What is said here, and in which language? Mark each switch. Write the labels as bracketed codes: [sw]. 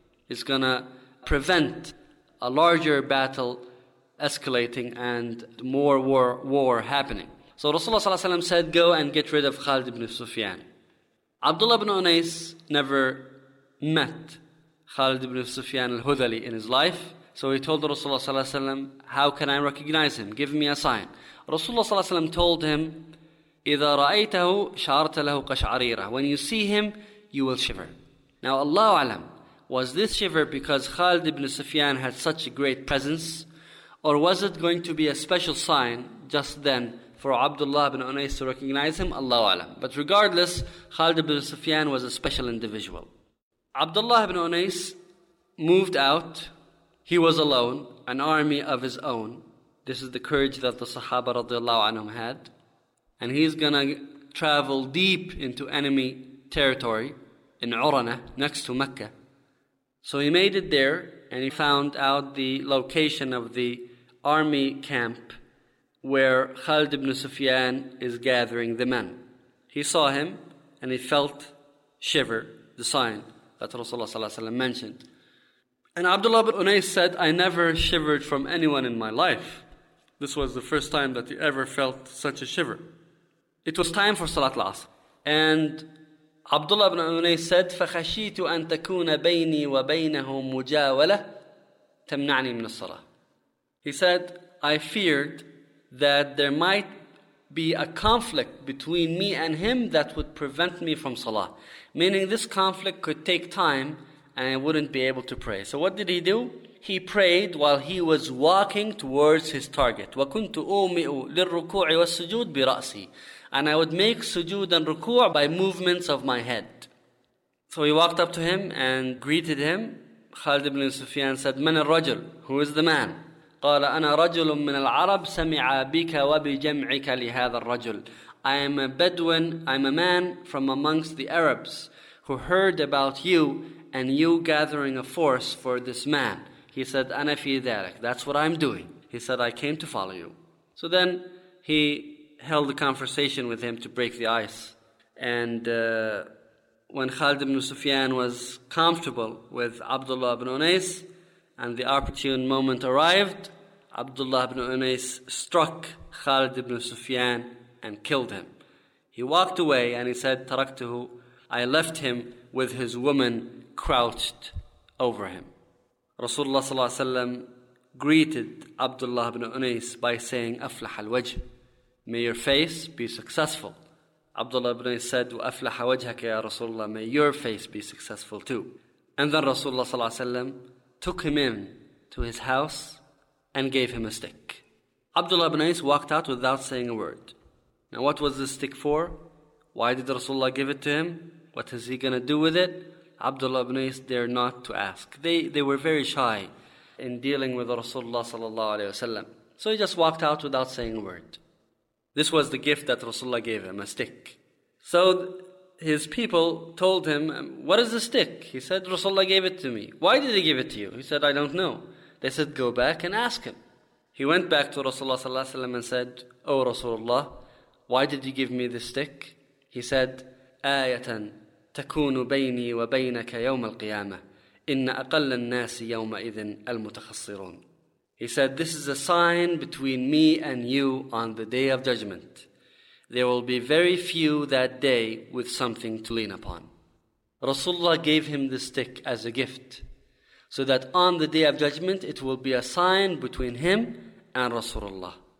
[en] It's going to prevent a larger battle escalating and more war happening. So Rasulullah ﷺ said, go and get rid of Khalid ibn Sufyan. Abdullah ibn Unais never met Khalid ibn Sufyan al-Hudali in his life. So he told Rasulullah ﷺ, how can I recognize him? Give me a sign. Rasulullah ﷺ told him, [ar] إِذَا رَأَيْتَهُ شَعَرْتَ لَهُ قَشْعَرِيرَهُ. [en] When you see him, you will shiver. Now Allahu alam, was this shiver because Khalid ibn Sufyan had such a great presence? Or was it going to be a special sign just then for Abdullah ibn Unais to recognize him? Allahu alam. But regardless, Khalid ibn Sufyan was a special individual. Abdullah ibn Unais moved out. He was alone, an army of his own. This is the courage that the Sahaba radiallahu anhum had. And he's going to travel deep into enemy territory in Urana, next to Mecca. So he made it there, and he found out the location of the army camp where Khalid ibn Sufyan is gathering the men. He saw him, and he felt shiver, the sign that Rasulullah ﷺ mentioned. And Abdullah ibn Unais said, I never shivered from anyone in my life. This was the first time that he ever felt such a shiver. It was time for Salat al-Asr. And Abdullah ibn Unais said, [ar] فَخَشِيتُ أَن تَكُونَ بَيْنِي وَبَيْنَهُمْ مُجَاوَلَةً تَمْنَعْنِي مِنَ الصَّلَةِ. [en] He said, I feared that there might be a conflict between me and him that would prevent me from Salah. Meaning this conflict could take time and I wouldn't be able to pray. So what did he do? He prayed while he was walking towards his target. [ar] وَكُنْتُ أُومِئُ لِلْرُكُوعِ وَالسُّجُودِ بِرَأْسِي. [en] And I would make sujood and ruku' by movements of my head. So he walked up to him and greeted him. Khalid ibn Sufyan said, [ar] من الرجل? [en] Who is the man? [ar] قال أنا رجل من العرب سمع بك وبجمعك لهذا الرجل. [en] I am a Bedouin, I'm a man from amongst the Arabs who heard about you and you gathering a force for this man. He said, [ar] أنا في ذلك. [en] That's what I'm doing. He said, I came to follow you. So then he held a conversation with him to break the ice. And when Khalid ibn Sufyan was comfortable with Abdullah ibn Unais, and the opportune moment arrived, Abdullah ibn Unais struck Khalid ibn Sufyan and killed him. He walked away and he said, Taraktuhu, I left him with his woman crouched over him. Rasulullah sallallahu alayhi wa sallam greeted Abdullah ibn Unais by saying, [ar] Aflah al-wajh. [en] May your face be successful. Abdullah ibn Unais said, [ar] وَأَفْلَحَ وَجْهَكَ يَا رَسُولَ اللَّهِ. [en] May your face be successful too. And then Rasulullah sallallahu alayhi wa sallam took him in to his house and gave him a stick. Abdullah ibn Unais walked out without saying a word. Now what was the stick for? Why did Rasulullah give it to him? What is he going to do with it? Abdullah ibn Unais dared not to ask. They were very shy in dealing with Rasulullah sallallahu alayhi wa sallam. So he just walked out without saying a word. This was the gift that Rasulullah gave him, a stick. So his people told him, what is the stick? He said, Rasulullah gave it to me. Why did he give it to you? He said, I don't know. They said, go back and ask him. He went back to Rasulullah sallallahu alaihi wasallam and said, O Rasulullah, why did you give me this stick? He said, [ar] آيَةً تَكُونُ بَيْنِي وَبَيْنَكَ يَوْمَ الْقِيَامَةِ إِنَّ أَقَلَّ النَّاسِ يَوْمَئِذٍ الْمُتَخَصِّرُونَ. [en] He said, this is a sign between me and you on the Day of Judgment. There will be very few that day with something to lean upon. Rasulullah gave him the stick as a gift, so that on the Day of Judgment, it will be a sign between him and Rasulullah.